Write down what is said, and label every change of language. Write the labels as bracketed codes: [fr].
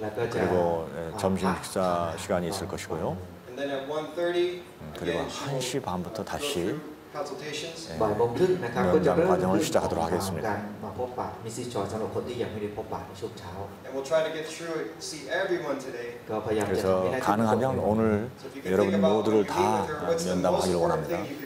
[ko] 그리고 점심 식사 시간이 있을 것이고요. 그리고 1시 반부터 다시 면담 과정을 시작하도록 하겠습니다. [en] And we'll try to get through it, see everyone today. [ko] 그래서 가능하면 오늘 여러분 모두를 다 면담하기를 원합니다.